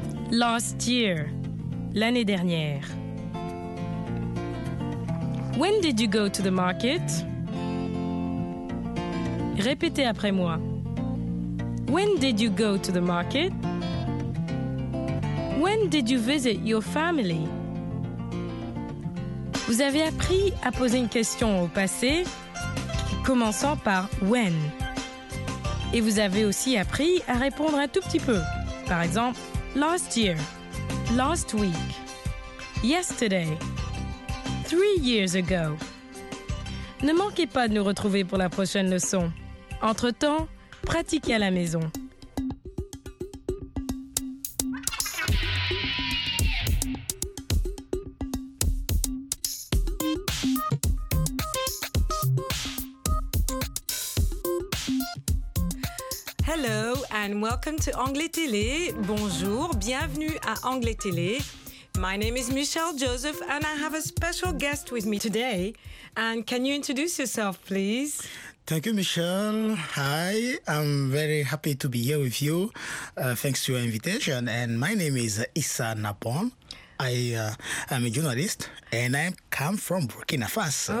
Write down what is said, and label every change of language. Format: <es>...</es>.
<en>Last year,</en> <fr>l'année dernière.</fr> <en>When did you go to the market?</en> <fr>Répétez après moi.</fr> <en>When did you go to the market? When did you visit your family?</en> <fr>Vous avez appris à poser une question au passé, commençant par « when ». Et vous avez aussi appris à répondre un tout petit peu. Par exemple, «</fr> <en>last year »,« last week »,« yesterday »,« 3 years ago ».</en> <fr>Ne manquez pas de nous retrouver pour la prochaine leçon. Entre-temps, pratiquez à la maison.</fr> <en>Hello and welcome to Anglais Télé.</en> <fr>Bonjour, bienvenue à Anglais Télé.</fr> <en>My name is Michelle Joseph and I have a special guest with me today. And can you introduce yourself, please? Thank you, Michelle. Hi, I'm very happy to be here with you. Thanks to your invitation. And my name is Issa Napon. I'm a journalist and I come from Burkina Faso.</en>